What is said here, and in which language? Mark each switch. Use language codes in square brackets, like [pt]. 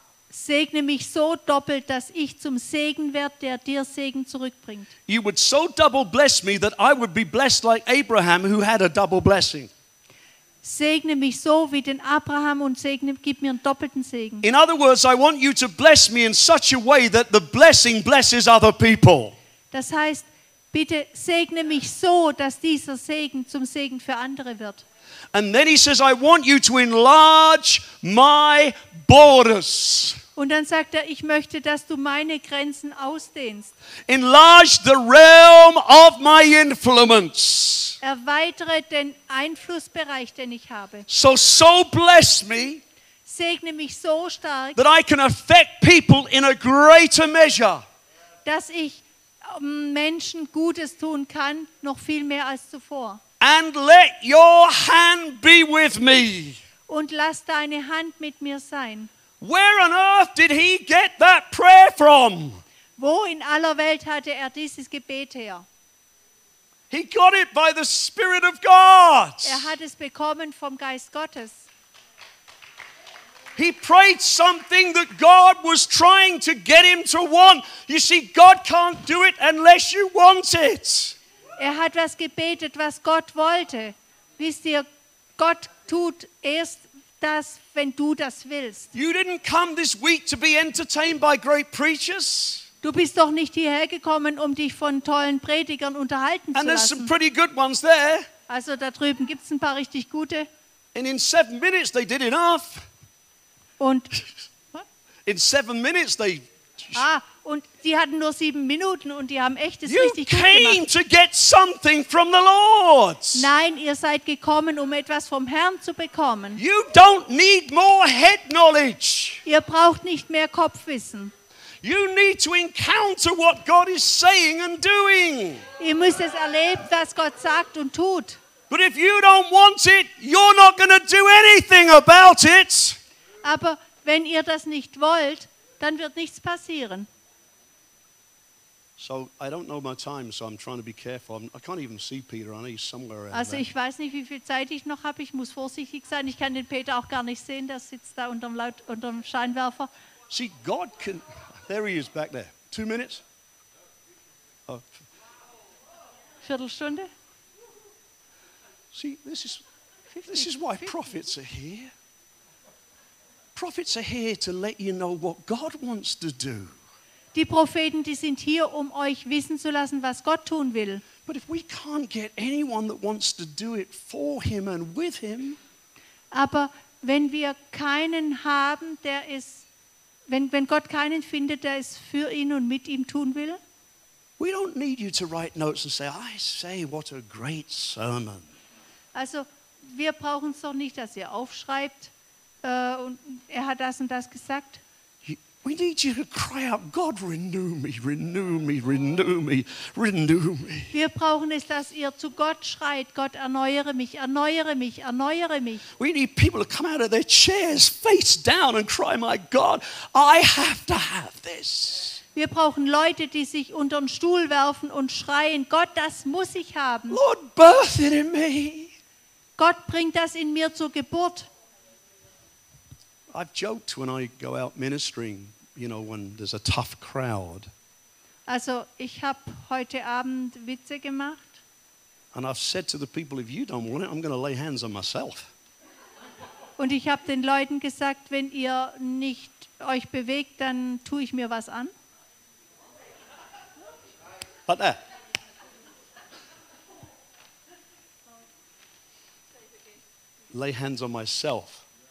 [de] Segne mich so doppelt, dass ich zum Segen werde, der dir Segen zurückbringt. [en] You would so double bless me that I would be blessed like Abraham, who had a double blessing. [de] Segne mich so wie den Abraham und segne, gib mir einen doppelten Segen. [en] In other words, I want you to bless me in such a way that the blessing blesses other people. [de] Das heißt, bitte segne mich so, dass dieser Segen zum Segen für andere wird. [en] And then he says, I want you to enlarge my borders. [de] Und dann sagt er, ich möchte, dass du meine Grenzen ausdehnst. [en] Enlarge the realm of my influence. [de] Erweitere den Einflussbereich, den ich habe. [en] So bless me. [de] Segne mich so stark. [en] That I can affect people in a greater measure. [de] Dass ich Menschen Gutes tun kann, noch viel mehr als zuvor. [en] And let your hand be with me. [de] Und lass deine Hand mit mir sein. [en] Where on earth did he get that prayer from? [de] Wo in aller Welt hatte er dieses Gebet her? [en] He got it by the Spirit of God. [de] Er hat es bekommen vom Geist Gottes. [en] He prayed something that God was trying to get him to want. You see, God can't do it unless you want it. [de] Er hat was gebetet, was Gott wollte. Wisst ihr, Gott tut erst das, wenn du das willst. [en] You didn't come this week to be entertained by great preachers. [de] Du bist doch nicht hierher gekommen, um dich von tollen Predigern unterhalten zu lassen. [en] And there's some pretty good ones there. [de] Also da drüben gibt's ein paar richtig gute. [en] And in 7 minutes they did enough. [de] Und [en] in 7 minutes they. [de] Ah, und sie hatten nur 7 Minuten und die haben echtes [en] you [de] richtig gut gemacht. [en] Came to get something from the Lord. [de] Nein, ihr seid gekommen, um etwas vom Herrn zu bekommen. [en] You don't need more head knowledge. [de] Ihr braucht nicht mehr Kopfwissen. [en] You need to encounter what God is saying and doing. [de] Ihr müsst es erleben, was Gott sagt und tut. [en] But if you don't want it, you're not going to do anything about it. [de] Aber wenn ihr das nicht wollt, dann wird nichts passieren. [en] So, I don't know my time, so I'm trying to be careful. I can't even see Peter. I know he's somewhere around. [de] Also, ich weiß nicht, wie viel Zeit ich noch habe. Ich muss vorsichtig sein. Ich kann den Peter auch gar nicht sehen. Der sitzt da unterm Scheinwerfer. [en] See, God can. There he is, back there. 2 minutes. Oh. [de] Viertelstunde? [en] See, this is why prophets are here. Prophets are here to let you know what God wants to do. [de] Die Propheten, die sind hier, um euch wissen zu lassen, was Gott tun will. [en] But if we can't get anyone that wants to do it for him and with him, [de] aber wenn wir keinen haben, der es, wenn Gott keinen findet, der es für ihn und mit ihm tun will, [en] we don't need you to write notes and say, I say, what a great sermon. [de] Also, wir brauchen es doch nicht, dass ihr aufschreibt, und er hat das und das gesagt. [en] We need you to cry out, God, renew me, renew me, renew me, renew me. [de] Wir brauchen es, dass ihr zu Gott schreit, Gott, erneuere mich, erneuere mich, erneuere mich. [en] We need people to come out of their chairs, face down and cry, my God, I have to have this. [de] Wir brauchen Leute, die sich unter den Stuhl werfen und schreien, Gott, das muss ich haben. [en] Lord, birth it in me. [de] Gott, bringt das in mir zur Geburt. [en] I've joked when I go out ministering, you know, when there's a tough crowd. [de] Also, ich habe heute Abend Witze gemacht. [en] And I've said to the people, if you don't want it, I'm going to lay hands on myself. [de] Und ich habe den Leuten gesagt, wenn ihr nicht euch bewegt, dann tue ich mir was an. [en] But there. Lay hands on myself.